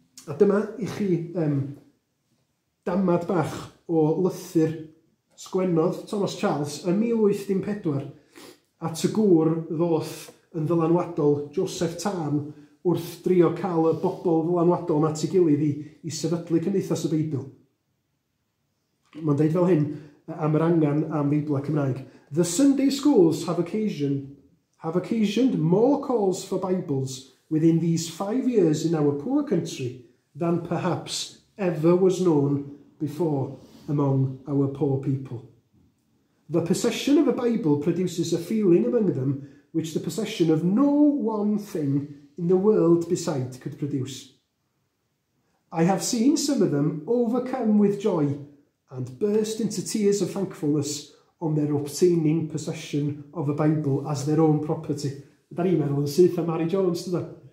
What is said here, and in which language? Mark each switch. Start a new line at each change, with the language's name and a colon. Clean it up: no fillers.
Welsh: A dyma i chi damad bach o lythyr sgwennodd Thomas Charles yn 1814. At y gŵr ddoth yn ddylanwadol Joseph Tarn wrth drio cael y bobl ddylanwadol yma at ei gilydd i sefydlu cymdeithas y Beibl. Mae'n deud fel hyn am yr angen am Beibl a Cymraeg.
English: The Sunday schools have occasioned more calls for Bibles within these 5 years in our poor country than perhaps ever was known before among our poor people. The possession of a Bible produces a feeling among them which the possession of no one thing in the world beside could produce. I have seen some of them overcome with joy and burst into tears of thankfulness on their obtaining possession of a Bible as their own property.
Welsh: Da ni'n meddwl yn syth am Mary Jones, dyda.